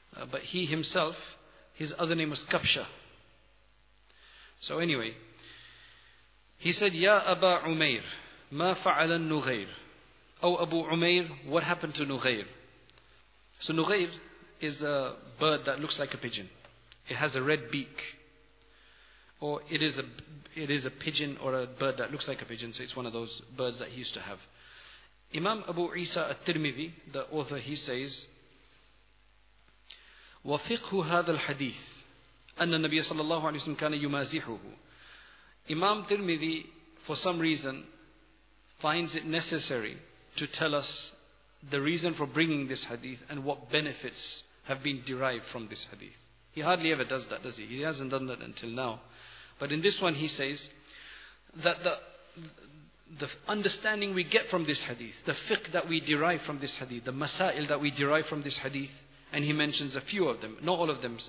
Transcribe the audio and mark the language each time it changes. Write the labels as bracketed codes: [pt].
[en] But he himself, his other name was Kabsha. So anyway, he said, [ar] Ya Aba Umair, ma fa'ala Nughair? [en] Oh Abu Umair, what happened to Nughair? So Nughair is a bird that looks like a pigeon. It has a red beak. Or it is a pigeon or a bird that looks like a pigeon. So it's one of those birds that he used to have. Imam Abu Isa al-Tirmidhi, the author, he says, [ar] وَفِقْهُ هَذَا الْحَدِيثِ أَنَّ النَّبِيَ صَلَى اللَّهُ عَلَيْهِ وَسَلَّمْ كَانَ يُمَازِحُهُ. [en] Imam Tirmidhi, for some reason, finds it necessary to tell us the reason for bringing this hadith and what benefits have been derived from this hadith. He hardly ever does that, does he? He hasn't done that until now. But in this one, he says that the understanding we get from this hadith, the fiqh that we derive from this hadith, the masail that we derive from this hadith, and he mentions a few of them, not all of them.